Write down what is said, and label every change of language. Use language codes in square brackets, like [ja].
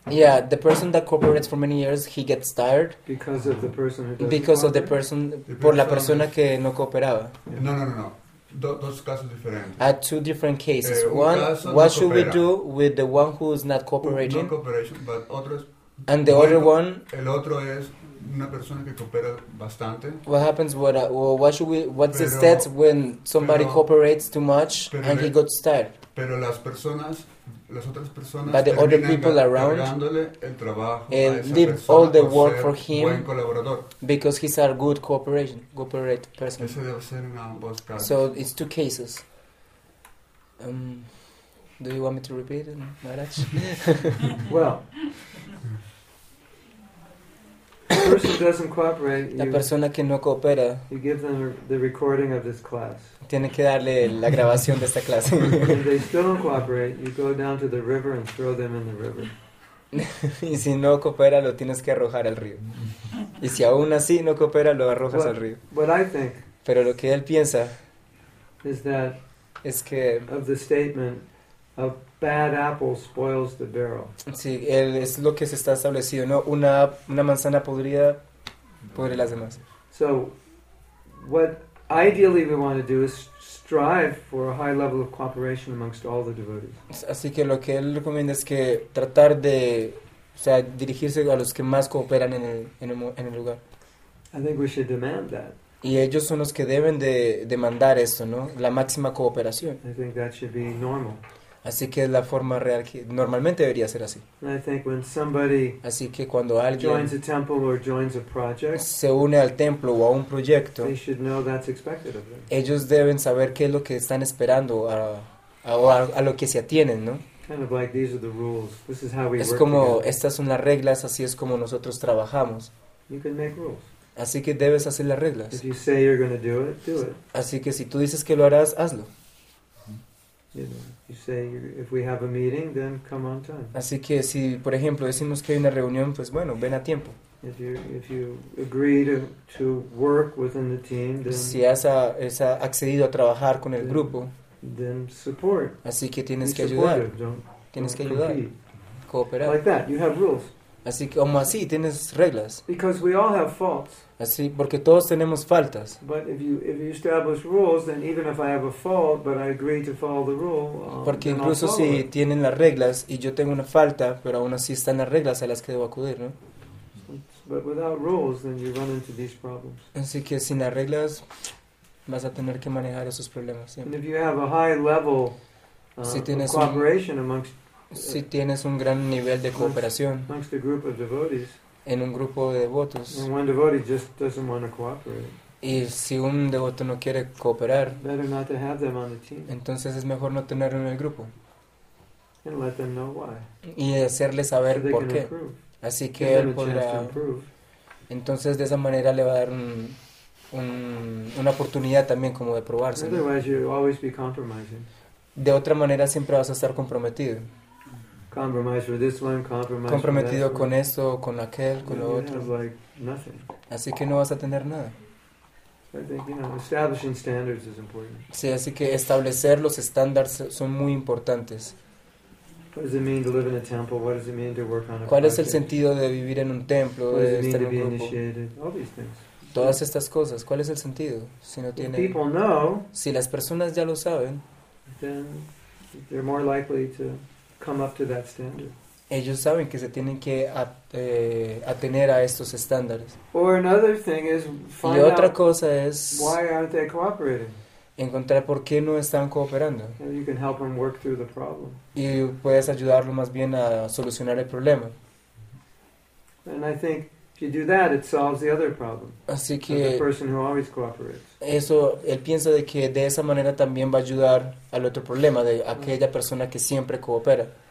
[en] Yeah, the person that cooperates for many years, he gets tired. Because of the person who doesn't because cooperate? Of the person, [es] por la persona que no cooperaba. Yeah. No. Dos casos diferentes. [en] At two different cases. One, what should we do with the one who is not cooperating? No cooperation, but others. And the other one. [es] El otro es una persona que coopera bastante. [en] What happens? What's the steps when somebody cooperates too much and he got tired? [es] Pero las personas, las otras personas. [en] But the other people around. [es] Cargándole el trabajo. [en] And leave all the work for him. [es] Buen colaborador. [en] Because he's a good cooperate person. [es] Ese debe ser en ambos casos. [en] So it's two cases. Do you want me to repeat it, Maharaj? Well. Person doesn't cooperate, [es] la persona que no coopera, [en] you give them the recording of this class. [es] Tiene que darle la grabación de esta clase. [en] If they still don't cooperate, you go down to the river and throw them in the river. [es] Y si no coopera, lo tienes que arrojar al río. Y si aún así no coopera, lo arrojas al río. [en] What I think, [es] pero lo que él piensa, [en] is that, [es] es que, [en] of the statement, of bad apple spoils the barrel. [es] Sí, es lo que se está establecido, ¿no? Una manzana podrida pudre las demás. [en] So, what ideally we want to do is strive for a high level of cooperation amongst all the devotees. [es] Así que lo que él recomienda es que tratar de, o sea, dirigirse a los que más cooperan en el lugar. [en] I think we should demand that. [es] Y ellos son los que deben de demandar eso, ¿no? La máxima cooperación. [en] I think that should be normal. [es] Así que es la forma real que normalmente debería ser así. [en] I think when somebody, [es] así que cuando alguien [en] joins a temple or joins a project, [es] se une al templo o a un proyecto, [en] they should know that's expected of them. [es] Ellos deben saber qué es lo que están esperando a lo que se atienen, ¿no? [en] Kind of like these are the rules. This is how we work. [es] Es como estas son las reglas, así es como nosotros trabajamos. [en] You can make rules. [es] Así que debes hacer las reglas. [en] If you say you're going to do it, do it. [es] Así que si tú dices que lo harás, hazlo. [en] You say if we have a meeting, then come on time. [es] Así que si, por ejemplo, decimos que hay una reunión, pues bueno, ven a tiempo. [en] If you agree to work within the team, then [es] si has accedido a trabajar con el grupo, [en] then support. [es] Así que tienes [en] be [es] que ayudar. [en] Don't [es] tienes que ayudar. [en] Compete. [es] Cooperar. [en] Like that, you have rules. [es] Así que, como así, tienes reglas. [en] Because we all have faults. [es] Así, porque todos tenemos faltas. [en] But if you establish rules, then even if I have a fault, but I agree to follow the rule, then I'll follow it. [es] Porque incluso si tienen las reglas y yo tengo una falta, pero aún así están las reglas a las que debo acudir, ¿no? [en] But without rules, then you run into these problems. [es] Así que sin las reglas, vas a tener que manejar esos problemas siempre. [en] And if you have a high level of cooperation amongst [es] si tienes un gran nivel de cooperación [en] amongst the group of devotees, [es] en un grupo de devotos, [en] and one devotee just doesn't want to cooperate, [es] y si un devoto no quiere cooperar, [en] better not to have them on the team. [es] Entonces es mejor no tenerlo en el grupo. [en] And let them know why. [es] Y hacerle saber [en] so [es] por qué. [en] Improve. [es] Así que él podrá. Entonces de esa manera le va a dar una oportunidad también como de probarse. [en] Otherwise, you'll always be compromising. [es] De otra manera siempre vas a estar comprometido. [en] Compromised with this one, compromised [es] comprometido [en] with that [es] con esto, con aquel, con [en] you [es] lo otro. [en] Like [es] así que no vas a tener nada. [en] Establishing standards is important. [es] Sí, así que establecer los estándares son muy importantes. [en] What does it mean to live in a temple? What does it mean to work on a project? [es] ¿Cuál es el sentido de vivir en un templo? [en] What does it mean [es] estar [en] to [es] en un [en] be [es] grupo? [en] Initiated? All these things. [es] Todas estas cosas. ¿Cuál es el sentido? Si no tiene. [en] People know. [es] Si las personas ya lo saben. [en] Then they're more likely to come up to that standard. [es] Ellos saben que se tienen que atener a estos estándares. [en] Or another thing is find [es] y otra cosa es [en] why aren't they cooperating? [es] Encontrar por qué no están cooperando. [en] And you can help them work through the problem. [es] Y puedes ayudarlo más bien a solucionar el problema. [en] And I think if you do that, it solves the other problem. [es] Así que [en] the person who always cooperates. [es] Eso, él piensa de que de esa manera también va a ayudar al otro problema, de aquella persona que siempre coopera.